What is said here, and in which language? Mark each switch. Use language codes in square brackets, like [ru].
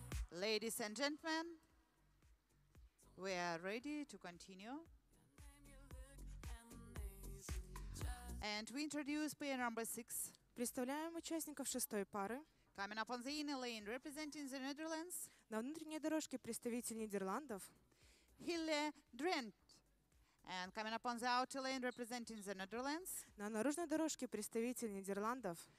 [en] Ladies and gentlemen. We are ready to continue. And we introduce pair number 6. [ru] Представляем участников шестой пары. [en] Coming up on the inner lane, representing the Netherlands. [ru] На внутренней дорожке представитель Нидерландов. Хилле Дрент. [en] And coming up on the outer lane, representing the Netherlands. [ru] На наружной дорожке представитель Нидерландов.